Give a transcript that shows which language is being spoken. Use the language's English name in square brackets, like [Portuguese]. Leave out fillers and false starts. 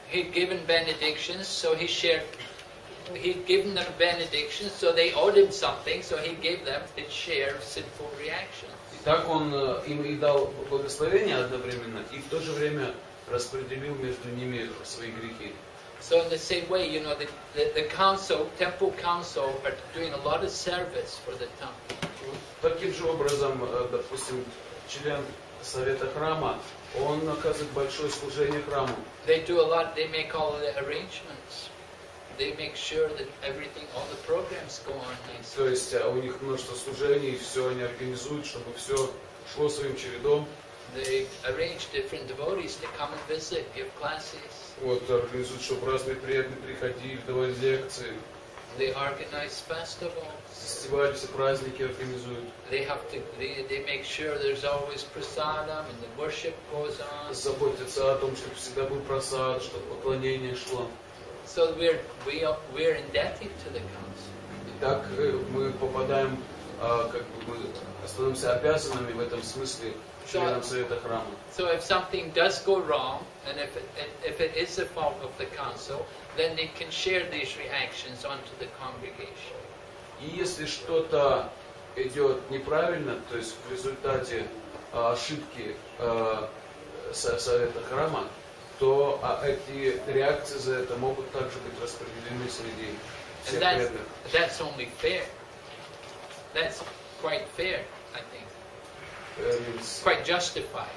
[English] He'd given benedictions, so he shared. He'd given them benedictions, so they owed him something, so he gave them a share of sinful reactions. [Russian] И так он им и дал благословение одновременно, и в то же время распределил между ними свои грехи. [English] So in the same way, you know, the council, temple council, are doing a lot of service for the temple. [Russian] Таким же образом, допустим, член совета храма, он оказывает большое служение храму. [English] They do a lot, they make all the arrangements. They make sure that everything, all the programs go on. [Russian] То есть у них множество служений, все они организуют, чтобы все шло своим чередом. [English] They arrange different devotees to come and visit, give classes. [Russian] Вот, организуют, чтобы разные преданные приходили, давали лекции. [English] They organize festivals. [Russian] Фестивали, все праздники организуют. [English] They have to. They make sure there's always prasadam and the worship goes on. [Russian] Заботятся о том, чтобы всегда был просад, чтобы поклонение шло. [English] So we're indebted to the council. [Russian] Итак, мы попадаем, как бы мы становимся обязанными в этом смысле членам совета храма. [English] So if something does go wrong, and if it is the fault of the council, then they can share these reactions onto the congregation. [Russian] И если что-то идет неправильно, то есть в результате ошибки совета храма, то эти реакции за это могут также быть распределены среди всех преданных. [English] And that's only fair. That's quite fair, I think. Quite justified.